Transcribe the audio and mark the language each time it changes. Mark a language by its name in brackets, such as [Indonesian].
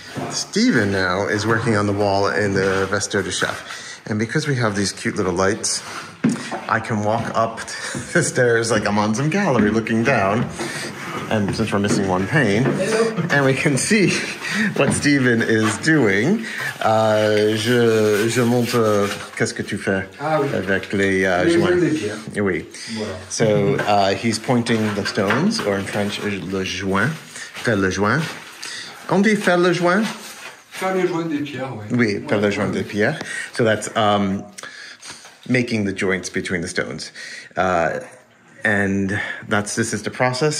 [English] Steven now is working on the wall in the [French] vestiaire de chef. [English] And because we have these cute little lights, I can walk up the stairs like I'm on some gallery looking down. And since we're missing one pane, and we can see what Steven is doing. [French] Je montre qu'est-ce que tu fais avec les joints. Oui. Voilà. [English] So he's pointing the stones, or in French, le joint. [French] Faire le joint. On dit faire le joint? Faire le joint des pierres, oui. Oui, faire le joint des pierres. [English] So that's making the joints between the stones. And this is the process.